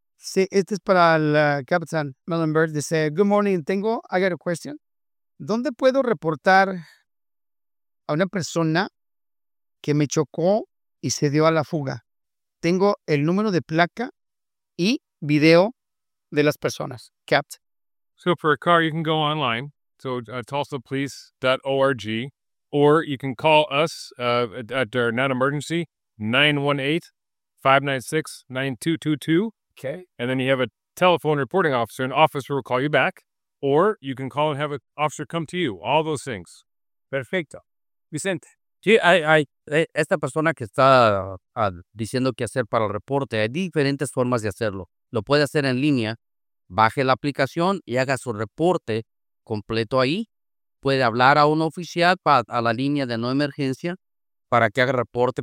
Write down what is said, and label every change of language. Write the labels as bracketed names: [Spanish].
[Spanish] Sí, este es para el Capitán Mellenberg. Dice, [English] good morning, I got a question. [Spanish] ¿Dónde puedo reportar a una persona que me chocó y se dio a la fuga? Tengo el número de placa y video de las personas. [English] Captain. So for a car, you can go online. So TulsaPolice.org. Or you can call us at our non-emergency 918 596-9222. Okay. And then you have a telephone reporting officer. An officer will call you back. Or you can call and have an officer come to you. All those things. [Spanish] Perfecto. Vicente. Sí, esta persona que está diciendo qué hacer para el reporte, hay diferentes formas de hacerlo. Lo puede hacer en línea. Baje la aplicación y haga su reporte completo ahí. Puede hablar a un oficial a la línea de no emergencia para que haga reporte.